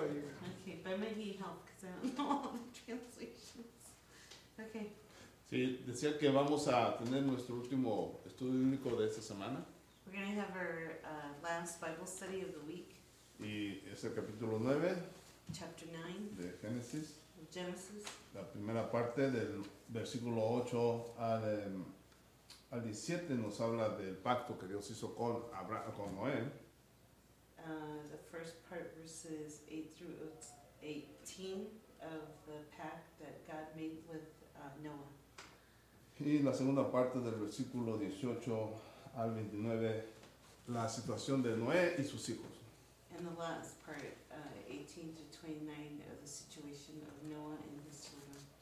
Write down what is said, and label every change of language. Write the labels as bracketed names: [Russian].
[English] Ok, but maybe help, because I don't know all the translations. Ok. [Spanish] Sí, decía que vamos a tener nuestro último estudio bíblico de esta semana. [English] We're going to have our last Bible study of the week. [Spanish] Y es el capítulo 9. [English] Chapter 9. [Spanish] De Génesis. [English] Genesis. [Spanish] La primera parte del versículo 8 al 17 nos habla del pacto que Dios hizo con Abraham, con Noé. [English] The first part, verses 8 through 18 of the pact that God made with Noah. [Spanish] Y la segunda parte del versículo 18 al 29, la situación de Noé y sus hijos. [English] And the last part, 18 to 29, of the situation of Noah and his children.